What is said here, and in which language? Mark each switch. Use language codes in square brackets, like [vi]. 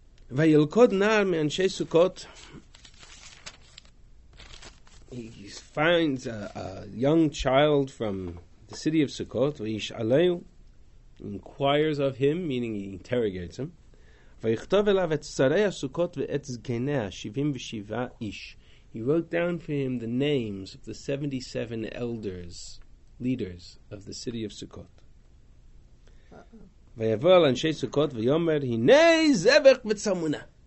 [he] וילכוד נער מאנשי סוכות. [en] He finds a young child from the city of Sukkot. [he] וישאלהו, [en] inquires of him, meaning he interrogates him. [he] ויכתוב אליו את שרי הסוכות ואת זקניה, 77 איש. [en] He wrote down for him the names of the 77 elders, leaders of the city of Sukkot. [he] ויבוא אל אנשי סוכות ויאמר, הנה זבח וצמונה.